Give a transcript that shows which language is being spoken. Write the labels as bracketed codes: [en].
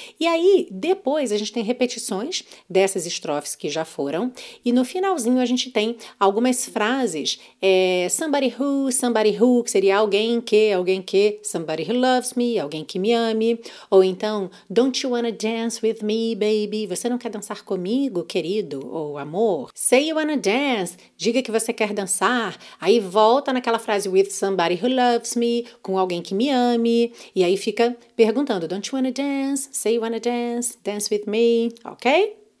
[pt] E aí, depois, a gente tem repetições dessas estrofes que já foram. E no finalzinho, a gente tem algumas frases. Somebody who, que seria alguém que, [en] somebody who loves me, [pt] alguém que me ame. Ou então, [en] don't you wanna dance with me, baby? [pt] Você não quer dançar comigo, querido ou amor? [en] Say you wanna dance, [pt] diga que você quer dançar. Aí volta naquela frase, [en] with somebody who loves me, [pt] com alguém que me ame, e aí fica perguntando, [en] don't you wanna dance, say you wanna dance, dance with me, ok?